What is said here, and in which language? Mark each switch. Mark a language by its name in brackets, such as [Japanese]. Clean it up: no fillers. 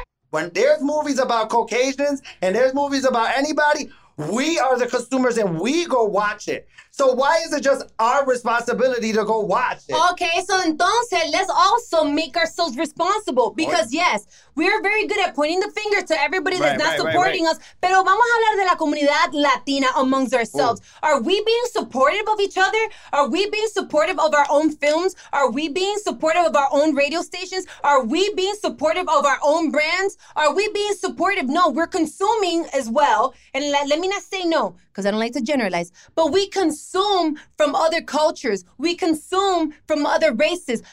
[English] When there's movies about Caucasians and there's movies about anybody, We are the consumers and we go watch it. So why is it just our responsibility to go watch it? Okay, so entonces, let's also make ourselves responsible. Because yes, we are very good at pointing the finger to everybody that's not supporting us. [Spanish] Pero vamos a hablar de la comunidad latina [English] amongst ourselves. Ooh. Are we being supportive of each other? Are we being supportive of our own films? Are we being supportive of our own radio stations? Are we being supportive of our own brands? Are we being supportive? No, we're consuming as well. And let me not say no, because I don't like to generalize. But we consume from other cultures. We consume from other races.